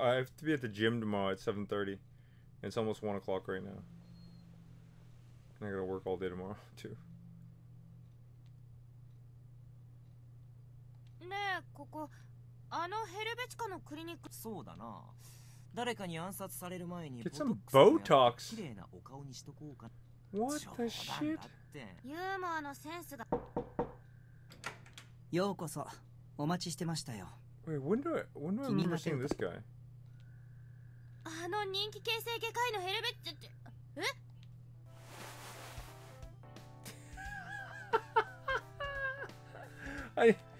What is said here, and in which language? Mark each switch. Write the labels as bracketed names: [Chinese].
[English] I have to be at the gym tomorrow at 7:30. It's almost 1 o'clock right now. And I gotta work all day tomorrow, too. [Japanese] ねえ、ここあのヘルベチカのクリニック。そうだな、誰かに暗殺される前にボトックスをやって綺麗なお顔にしとこうか。 [English] What the shit? [Japanese] ユーモアのセンスが。ようこそ、お待ちしてましたよ。 [English] Wait, when do I remember seeing this guy? [Japanese] あの人気形成外科医のヘルベチって、え？